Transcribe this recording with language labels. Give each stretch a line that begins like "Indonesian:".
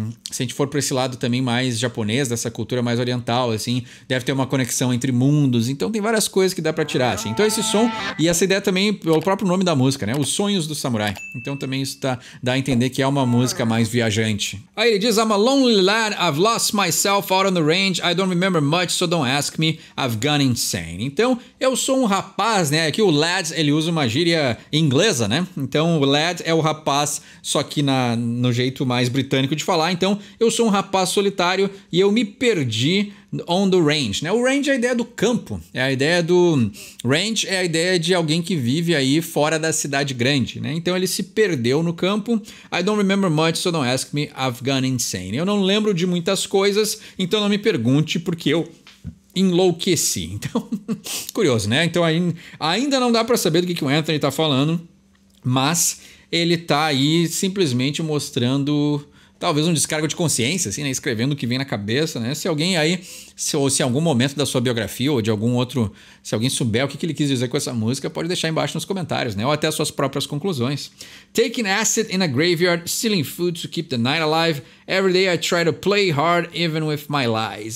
Portuguese: se a gente for para esse lado também mais japonês, dessa cultura mais oriental, assim, deve ter uma conexão entre mundos, então tem várias coisas que dá pra tirar, assim. Então esse som, e essa ideia também é o próprio nome da música, né? Os Sonhos do Samurai. Então também isso dá a entender que é uma música mais viajante. Aí ele diz,
English: I'm a lonely lad, I've lost myself out on the range, I don't remember much, so don't ask me, I've gone insane.
Portuguese: Então, eu sou um rapaz, né? Aqui o lad, ele usa uma gíria inglesa, né? Então o lad é o rapaz, só que no jeito mais britânico de falar. Então, eu sou um rapaz solitário e eu me perdi
English: on the range,
Portuguese: né? O range é a ideia do campo, é a ideia do... Range é a ideia de alguém que vive aí fora da cidade grande, né? Então ele se perdeu no campo.
English: I don't remember much, so don't ask me, I've gone insane.
Portuguese: Eu não lembro de muitas coisas, então não me pergunte porque eu enlouqueci. Então, curioso, né? Então ainda não dá pra saber do que o Anthony tá falando, mas ele tá aí simplesmente mostrando... Talvez um descargo de consciência, assim, né? Escrevendo o que vem na cabeça, né? Se alguém aí, se algum momento da sua biografia ou de algum outro, se alguém souber o que ele quis dizer com essa música, pode deixar embaixo nos comentários, né? Ou até as suas próprias conclusões.
English: Taking acid in a graveyard, stealing food to keep the night alive. Every day I try to play hard, even with my lies.